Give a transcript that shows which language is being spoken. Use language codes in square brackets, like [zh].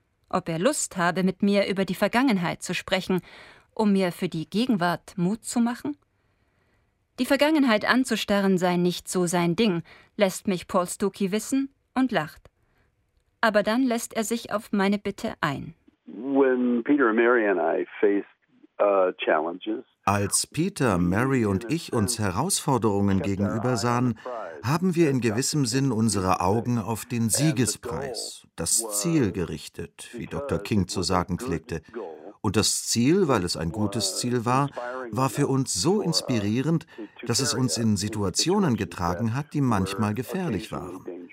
[de] Ob er Lust habe, mit mir über die Vergangenheit zu sprechen, um mir für die Gegenwart Mut zu machen? Die Vergangenheit anzustarren sei nicht so sein Ding, lässt mich Paul Stuckey wissen und lacht. Aber dann lässt er sich auf meine Bitte ein. [en] When Peter, Mary and I faced challenges. [de] Als Peter, Mary und ich uns Herausforderungen gegenüber sahen, haben wir in gewissem Sinn unsere Augen auf den Siegespreis, das Ziel gerichtet, wie Dr. King zu sagen pflegte. Und das Ziel, weil es ein gutes Ziel war, war für uns so inspirierend, dass es uns in Situationen getragen hat, die manchmal gefährlich waren.